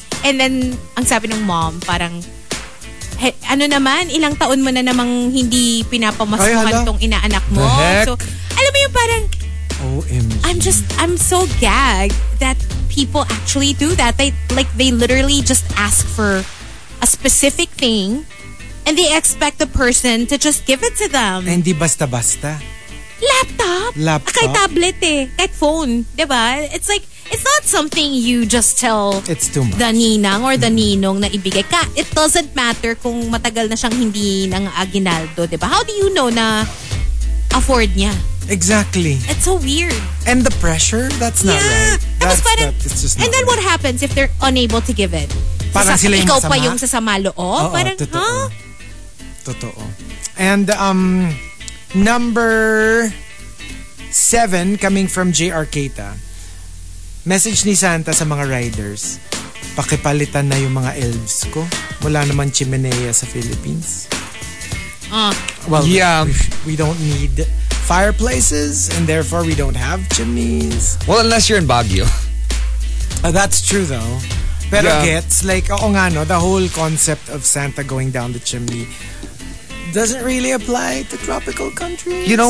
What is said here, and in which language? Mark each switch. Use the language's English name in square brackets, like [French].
[English] And then [Filipino] ang sabi ng mom, parang ano naman, ilang taon mo na namang hindi pinapamasukan tong inaanak mo. [English] The heck? [Filipino] So alam mo yung parang [English] OMG. I'm so gagged that people actually do that. They literally just ask for a specific thing and they expect the person to just give it to them. [Filipino] Hindi basta-basta. [English] Laptop? [Filipino] Kahit tablet eh. Kahit phone. Diba? [English] It's like, it's not something you just tell it's too much. The ninang or the ninong na ibigay ka. It doesn't matter kung matagal na siyang hindi ng aginaldo. Diba? How do you know [Filipino] na afford niya? [English] Exactly. It's so weird. And the pressure, that's not yeah. right. That's, that, it's just not and then right. What happens if they're unable to give it? [Filipino] Parang sila yung ikaw masama? Pa yung sasama loob? Parang, totoo. Huh? Totoo. [English] And, number 7 coming from JR Keita. [Filipino] Message ni Santa sa mga riders. Pakipalitan na yung mga elves ko. Wala naman chimenea sa Philippines. Well, [English] yeah. We don't need fireplaces and therefore we don't have chimneys. Well, unless you're in Baguio. That's true though. Pero yeah. Gets, like, [Filipino] oo nga no, [English] the whole concept of Santa going down the chimney doesn't really apply to tropical countries.